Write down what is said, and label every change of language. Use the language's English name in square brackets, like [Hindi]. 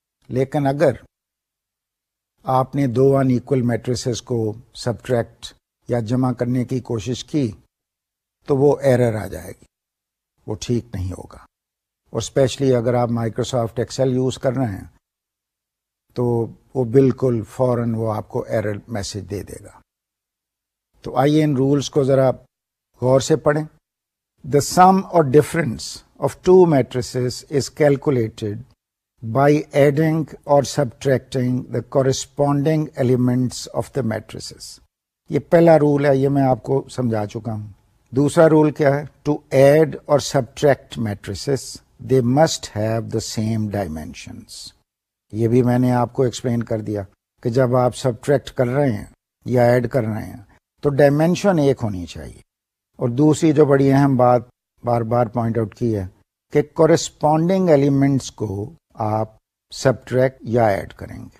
[Urdu] لیکن اگر آپ نے دو ان ایکول میٹریسز کو سبٹریکٹ یا جمع کرنے کی کوشش کی تو وہ ایرر آ جائے گی، وہ ٹھیک نہیں ہوگا. اور اسپیشلی اگر آپ مائیکروسافٹ ایکسل یوز کر رہے ہیں تو وہ بالکل فوراً وہ آپ کو ایرر میسج دے دے گا. تو آئیے ان رولز کو ذرا غور سے پڑھیں. [English] The sum or difference of two matrices is calculated by adding or subtracting the corresponding elements of the matrices. [Urdu] یہ پہلا رول ہے، یہ میں آپ کو سمجھا چکا ہوں. دوسرا رول کیا ہے؟ [English] To add or subtract matrices, they must have the same dimensions. [Urdu] یہ بھی میں نے آپ کو ایکسپلین کر دیا کہ جب آپ سبٹریکٹ کر رہے ہیں یا ایڈ کر رہے ہیں تو ڈائمینشن ایک ہونی چاہیے. اور دوسری جو بڑی اہم بات بار بار پوائنٹ آؤٹ کی ہے کہ کورسپونڈنگ ایلیمنٹس کو آپ سبٹریکٹ یا ایڈ کریں گے.